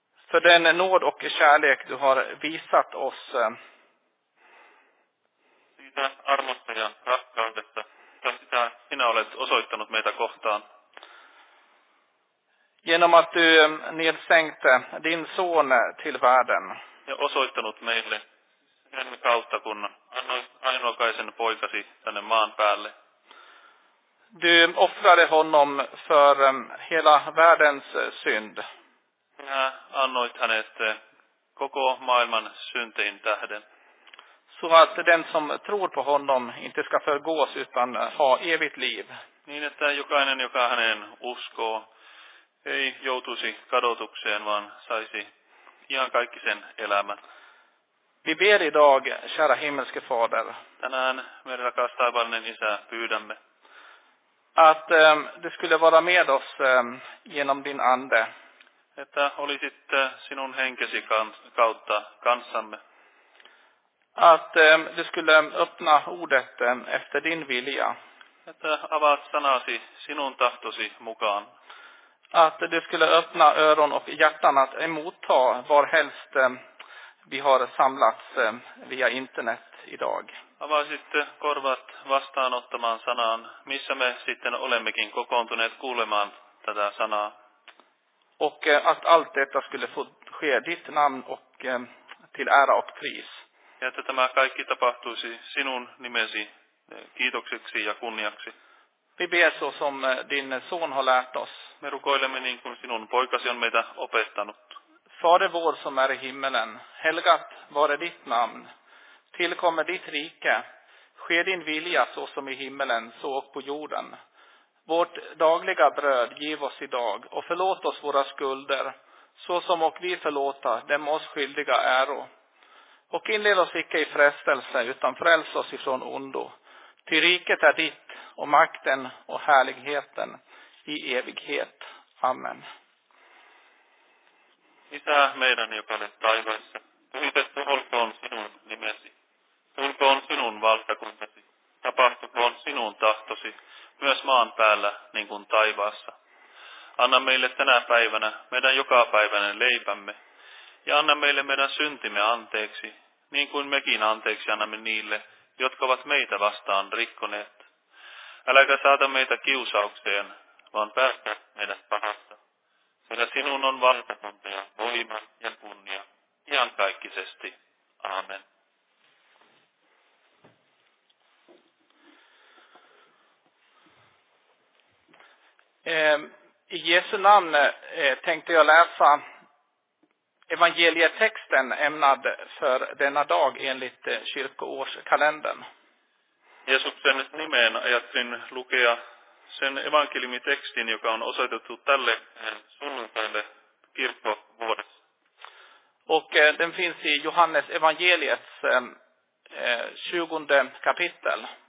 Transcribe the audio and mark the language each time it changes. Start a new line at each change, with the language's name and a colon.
Swedish: För den nåd och kärlek du har visat oss.
Finnish: Sitä armosta ja rakkaudesta, sitä sinä olet osoittanut meitä kohtaan.
Swedish: Genom att du nedsänkte din son till världen.
Finnish: Ja osoittanut meille sen kautta, kun annoit ainokaisen poikasi tänne maan päälle.
Swedish: Du offrade honom för hela världens synd.
Finnish: Ja, annoit hänet koko maailman syntein tähden.
Swedish: Så att den som tror på honom inte ska förgås utan ha evigt liv.
Finnish: Niin että jokainen, joka hänen uskoo, ei joutuisi kadotukseen, vaan saisi iankaikkisen elämän.
Swedish: Vi ber idag, kära himmelske Fader.
Finnish: Tänään me rakas taivaallinen isä pyydämme.
Swedish: Att du skulle vara med oss genom din ande.
Finnish: Että olisit sinun henkesi kautta kanssamme.
Swedish: Att du skulle öppna ordet efter din vilja.
Finnish: Että avaat sanasi sinun tahtosi mukaan.
Swedish: Att du skulle öppna öron och hjärtan att emotta varhelst vi har samlats via internet. Idag.
Finnish: Avaisit korvat vastaanottamaan sanaan, missä me sitten olemmekin kokoontuneet kuulemaan tätä sanaa.
Swedish: Och att allt detta skulle få ske ditt namn och till ära och pris.
Finnish: Ja että tämä kaikki tapahtuisi sinun nimesi kiitokseksi ja kunniaksi.
Swedish: Vi ber så som din son har lärt oss.
Finnish: Me rukoilemme niin kuin sinun poikasi on meitä opettanut.
Swedish: Fader vår som är i himmelen, helgat vare ditt namn. Tillkommer ditt rike, sker din vilja så som i himmelen, så och på jorden. Vårt dagliga bröd giv oss idag och förlåt oss våra skulder, så som och vi förlåta dem oss skyldiga äro. Och inled oss icke i frestelse, utan fräls oss ifrån ondo. Till riket är ditt och makten och härligheten i evighet. Amen.
Finnish: Isä meidän, joka olet taivaissa, pyhitetty olkoon sinun nimesi. Tulkoon sinun valtakuntasi, tapahtukoon sinun tahtosi, myös maan päällä, niin kuin taivaassa. Anna meille tänä päivänä meidän jokapäiväinen leipämme, ja anna meille meidän syntimme anteeksi, niin kuin mekin anteeksi annamme niille, jotka ovat meitä vastaan rikkoneet. Äläkä saata meitä kiusaukseen, vaan päästä meidät pahasta, sillä sinun on valtakunta ja voima ja kunnia iankaikkisesti. Aamen.
Swedish: I Jesu namn tänkte jag läsa evangelietexten ämnad för denna dag enligt kyrkoårskalendern.
Finnish: Jesuksen nimeen ajattelin lukea sen evankeliumitekstin, joka on osoitettu tälle sunnuntaille kirkkovuodessa.
Swedish: Och den finns i Johannes evangeliets 20 kapitel.